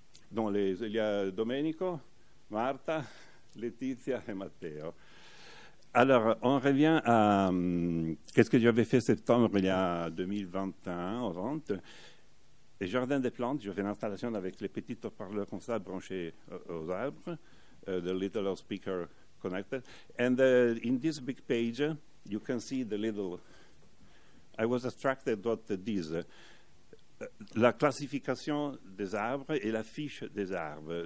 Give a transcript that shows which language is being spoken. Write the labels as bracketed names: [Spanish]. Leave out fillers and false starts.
[French] Donc, il y a Domenico, Marta, Letizia et Matteo. Alors, on revient à qu'est-ce que j'avais fait septembre il y a 2021, le jardin des plantes, j'ai fait une installation avec les petits haut-parleurs comme ça branchés aux arbres, [English] the little speaker connected. And in this big page, you can see the little. I was attracted to what this. [French] La classification des arbres et la fiche des arbres.